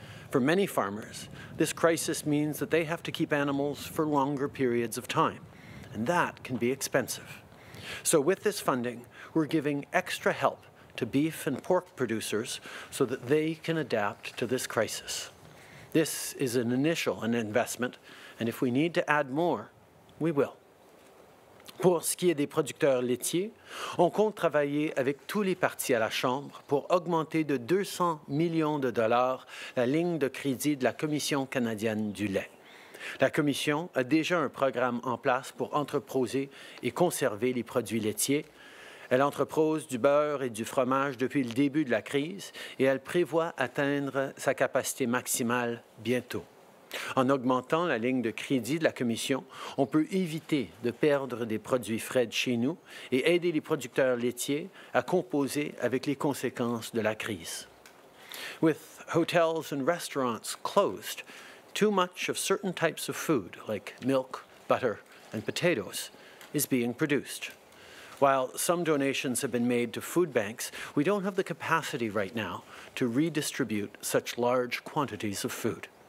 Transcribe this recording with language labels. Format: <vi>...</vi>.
<en>For many farmers, this crisis means that they have to keep animals for longer periods of time, and that can be expensive. So with this funding, we're giving extra help to beef and pork producers so that they can adapt to this crisis. This is an initial investment, and if we need to add more, we will.</en> <fr>Pour ce qui est des producteurs laitiers, on compte travailler avec tous les partis à la Chambre pour augmenter de 200 millions de dollars la ligne de crédit de la Commission canadienne du lait. La Commission a déjà un programme en place pour entreposer et conserver les produits laitiers. Elle entrepose du beurre et du fromage depuis le début de la crise et elle prévoit atteindre sa capacité maximale bientôt. En augmentant la ligne de crédit de la Commission, on peut éviter de perdre des produits frais de chez nous et aider les producteurs laitiers à composer avec les conséquences de la crise.</fr> <en>With hotels and restaurants closed, too much of certain types of food, like milk, butter, and potatoes, is being produced. While some donations have been made to food banks, we don't have the capacity right now to redistribute such large quantities of food.</en>